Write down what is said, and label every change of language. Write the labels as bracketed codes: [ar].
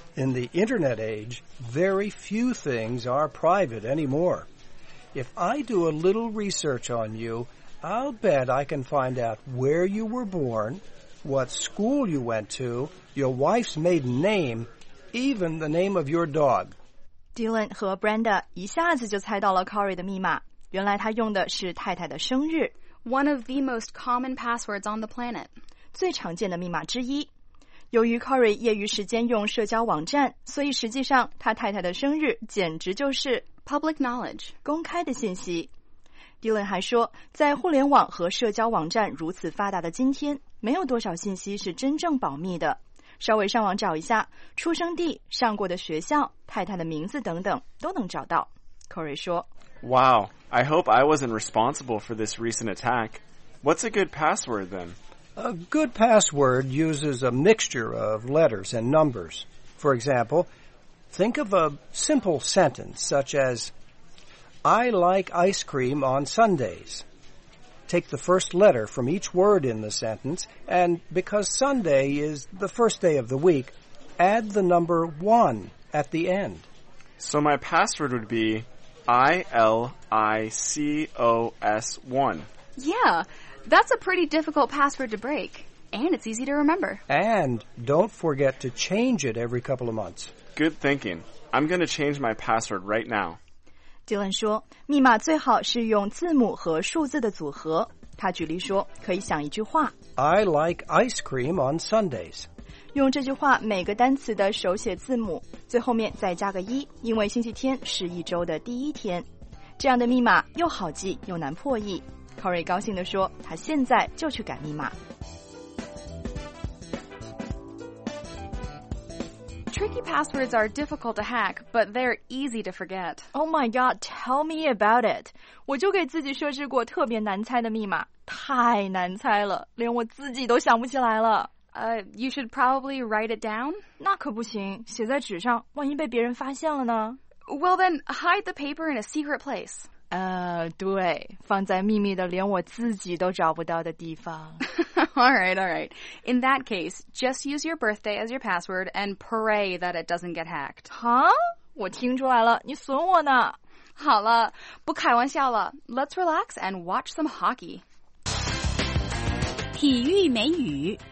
[en] In the internet age, very few things are private anymore. If I do a little research on you, I'll bet I can find out where you were born, what school you went to, your wife's maiden name, even the name of your dog. [zh] Dylan 和 Brenda 一下子就猜到了 Corey 的密码。原来他用的是太太的生日。 [en] One of the most common passwords on the planet. [zh] 最常见的密码之一。由于 Corey 业余时间用社交网站，所以实际上他太太的生日简直就是 [en] public knowledge， [zh] 公开的信息。 Dylan 还说，在互联网和社交网站如此发达的今天，没有多少信息是真正保密的。稍微上网找一下，出生地、上过的学校、太太的名字等等都能找到。 Corey 说， [en] Wow, I hope I wasn't responsible for this recent attack. What's a good password then? A good password uses a mixture of letters and numbers. For example, think of a simple sentence such as, I like ice cream on Sundays. Take the first letter from each word in the sentence, and because Sunday is the first day of the week, add the number 1 at the end. So my password would be ILICOS1. Yeah. That's a pretty difficult password to break, and it's easy to remember. And don't forget to change it every couple of months. Good thinking. I'm going to change my password right now. [zh] Dylan 说，密码最好是用字母和数字的组合。他举例说，可以想一句话。 [en] I like ice cream on Sundays. [zh] 用这句话每个单词的手写字母，最后面再加个一，因为星期天是一周的第一天。这样的密码又好记又难破译。 Corey 高兴地说，他现在就去改密码。 [en] Tricky passwords are difficult to hack, but they're easy to forget. Oh my god, tell me about it. [zh] 我就给自己设置过特别难猜的密码，太难猜了，连我自己都想不起来了。 [en] You should probably write it down? [zh] 那可不行，写在纸上，万一被别人发现了呢？ [en] Well then, hide the paper in a secret place. [zh] 对，放在秘密的连我自己都找不到的地方。 [en] All right. In that case, just use your birthday as your password and pray that it doesn't get hacked. [zh] Huh? 我听出来了，你损我呢。好了，不开玩笑了。 [en] Let's relax and watch some hockey. [zh] 体育美语。